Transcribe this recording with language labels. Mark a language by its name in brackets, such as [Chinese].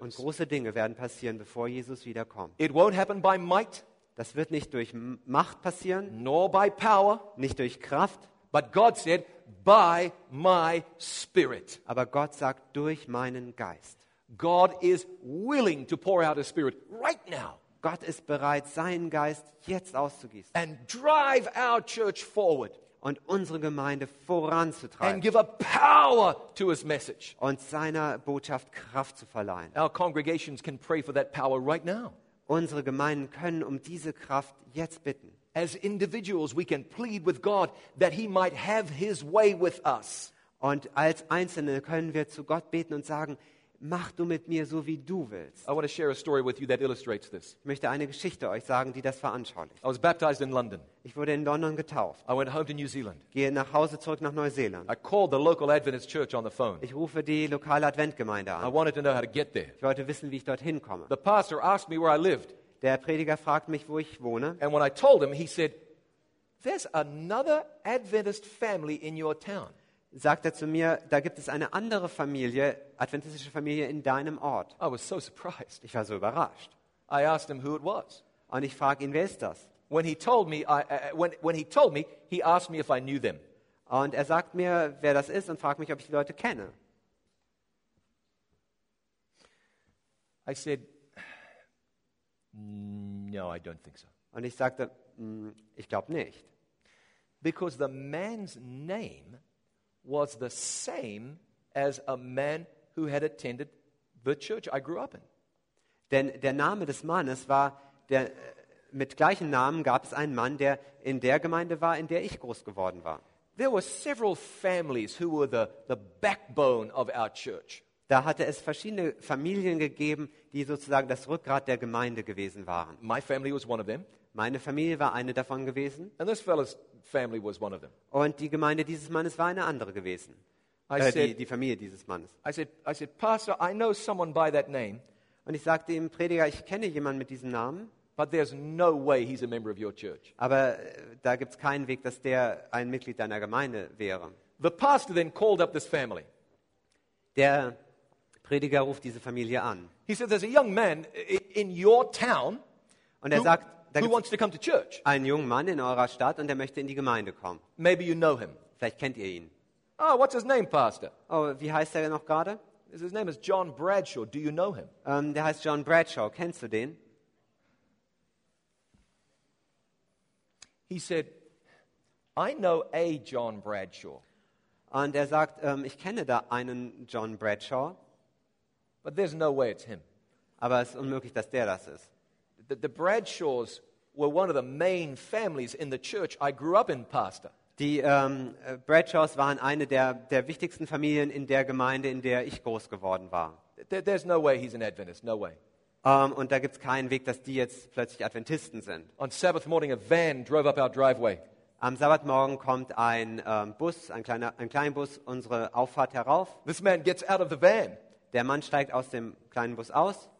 [German] Und große Dinge werden passieren, bevor Jesus wiederkommt. [English] It won't happen by might. [German] Das wird nicht durch Macht passieren, [English] nor by power, [German] nicht durch Kraft, [English] but God said by my spirit. [German] Aber Gott sagt durch meinen Geist. [English] God is willing to pour out his spirit right now. [German] Gott ist bereit, seinen Geist jetzt auszugießen. [English] And drive our church forward. [German] Und unsere Gemeinde voranzutreiben. [English] And give a power to his message. [German] Und seiner Botschaft Kraft zu verleihen. [English] Our congregations can pray for that power right now. [German] Unsere Gemeinden können um diese Kraft jetzt bitten. [English] As individuals, we can plead with God that he might have his way with us. [German] Und als Einzelne können wir zu Gott beten und sagen, mach du mit mir so, wie du willst. [English] I want to share a story with you that illustrates this. [German] Ich möchte eine Geschichte euch sagen, die das veranschaulicht. [English] I was baptized in London. [German] Ich wurde in London getauft. [English] I went home to New Zealand. [German] Gehe nach Hause zurück nach Neuseeland. [English] I called the local Adventist church on the phone. [German] Ich rufe die lokale Adventgemeinde an. [English] I wanted to know how to get there. [German] Ich wollte wissen, wie ich dorthin komme. [English] The pastor asked me where I lived. [German] Der Prediger fragt mich, wo ich wohne. [English] And when I told him, he said, "There's another Adventist family in your town." [German] Sagt er zu mir, da gibt es eine andere Familie, adventistische Familie in deinem Ort. [English] I was so surprised. [German] Ich war so überrascht. [English] I asked him who it was. [German] Und ich frage ihn, wer ist das? [English] When he told me, he asked me if I knew them. [German] Und er sagt mir, wer das ist und fragt mich, ob ich die Leute kenne. [English] I said, "No, I don't think so." [German] Und ich sagte, ich glaube nicht. [English] Because the man's name was the same as a man who had attended the church I grew up in. [German] Denn der Name des Mannes war der mit gleichen Namen gab es einen Mann, der in der Gemeinde war, in der ich groß geworden war. [English] There were several families who were the backbone of our church. [German] Da hatte es verschiedene Familien gegeben, die sozusagen das Rückgrat der Gemeinde gewesen waren. [English] My family was one of them. [German] Meine Familie war eine davon gewesen. [English] And this fellow's family was one of them. [German] Und die Gemeinde dieses Mannes war eine andere gewesen. Die Familie dieses Mannes. [English] I said, "Pastor, I know someone by that name." [German] Und ich sagte ihm, Prediger, ich kenne jemanden mit diesem Namen. [English] But there's no way he's a member of your church. [German] Aber da gibt's keinen Weg, dass der ein Mitglied deiner Gemeinde wäre. [English] The pastor then called up this family. [German] Der Prediger ruft diese Familie an. [English] He said, "There's a young man in your town." [German] Und er sagt, [English] "Who wants to come to church?" [German] Ein junger Mann in eurer Stadt und er möchte in die Gemeinde kommen. [English] Maybe you know him. [German] Vielleicht kennt ihr ihn. [English] "Oh, what's his name, Pastor?" [German] Oh, wie heißt er noch gerade? [English] His name is John Bradshaw. Do you know him? [German] Der heißt John Bradshaw. Kennst du den? [English] He said, "I know a John Bradshaw." [German] Und er sagt, ich kenne da einen John Bradshaw. [English] But there's no way it's him. [German] Aber es ist unmöglich, dass der das ist. [English] The Bradshaws were one of the main families in the church I grew up in, Pastor. [German] Die Bradshaws waren eine der wichtigsten Familien in der Gemeinde, in der ich groß geworden war. [English] There's no way he's an Adventist, no way. [German] Und da gibt's keinen Weg, dass die jetzt plötzlich Adventisten sind. [English] On Sabbath morning, a van drove up our driveway. [German] Am Sabbatmorgen kommt ein Bus, ein kleiner Bus, unsere Auffahrt herauf. [English] This man gets out of the van. [German] Der Mann steigt aus dem kleinen Bus aus.